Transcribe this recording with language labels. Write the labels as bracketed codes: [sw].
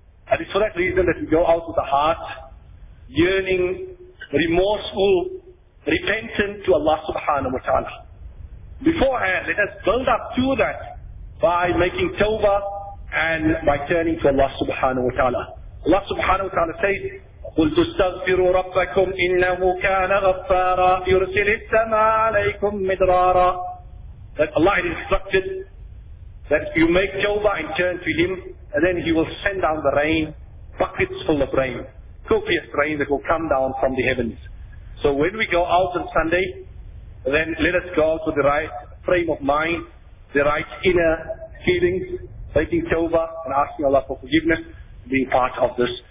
[en] And it's for that reason that we go out with a heart, yearning, remorseful, repentant to Allah subhanahu wa ta'ala. Beforehand, let us build up to that by making tawbah and by turning to Allah subhanahu wa ta'ala. Allah subhanahu wa ta'ala says, [ar] قلت استغفروا ربكم إنه كان غفارا يرسل السماء عليكم مدرارا. [en] That Allah has instructed that you make tawbah and turn to Him, and then He will send down the rain, buckets full of rain, copious rain that will come down from the heavens. So when we go out on Sunday, then let us go out with the right frame of mind, the right inner feelings, making tawbah and asking Allah for forgiveness, being part of this.